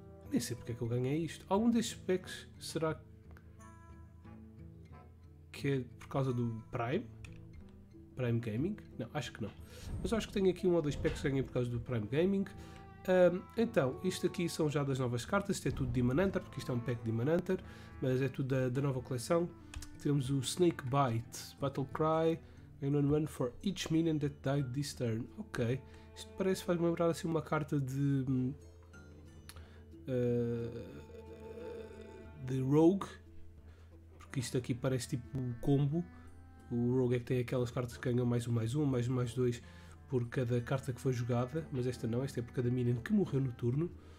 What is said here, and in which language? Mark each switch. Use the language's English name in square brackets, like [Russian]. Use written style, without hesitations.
[Portuguese] Nem sei porque é que eu ganhei isto. Algum destes packs será que é por causa do Prime? Prime Gaming? Não, acho que não. Mas acho que tenho aqui um ou dois packs que ganhei por causa do Prime Gaming. Então, isto aqui são já das novas cartas. Isto é tudo Demon Hunter, porque isto é um pack Demon Hunter. Mas é tudo da nova coleção. Temos o Snake Bite Battlecry. [English] And one for each minion that died this turn. Ok. [Portuguese] Isto parece, faz-me lembrar assim uma carta de Rogue, porque isto aqui parece tipo um combo. O Rogue é que tem aquelas cartas que ganham mais um, mais um, mais dois por cada carta que foi jogada, mas esta não, esta é por cada minion que morreu no turno.